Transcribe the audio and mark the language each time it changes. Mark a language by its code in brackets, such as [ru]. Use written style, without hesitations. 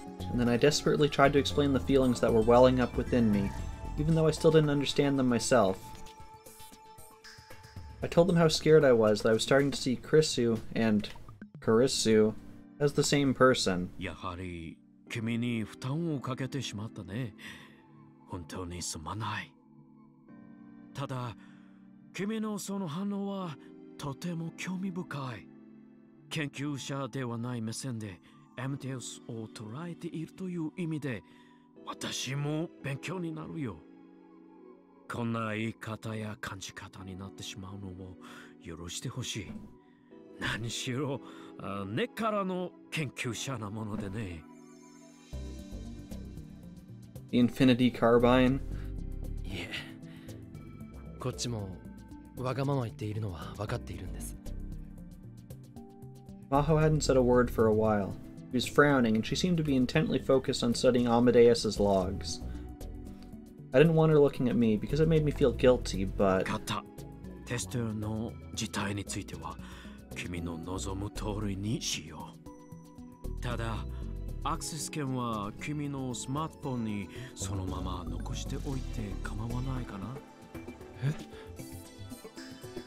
[en] And then I desperately tried to explain the feelings that were welling up within me, even though I still didn't understand them myself. I told them how scared I was, that I was starting to see Krisu and Karisu as the same person. [ja] やはり君に負担をかけてしまったね。本当にすまない。ただ、君のその反応はとても興味深い。研究者ではない目線でエムデウスを捉えているという意味で、私も勉強になるよ。こんな言い方や感じ方になってしまうのを許してほしい。何しろ、根からの研究者なものでね。 [en] The Infinity Carbine. Yeah. [ja] こっちもわがまま言っているのは分かっているんです。 [en] Maho hadn't said a word for a while. She was frowning, and she seemed to be intently focused on studying Amadeus's logs. I didn't want her looking at me because it made me feel guilty, but. Kata. [ja] テストの事態については君の望む通りにしよう。ただ。アクセス権は君のスマートフォンにそのまま残しておいて構わないかな？え？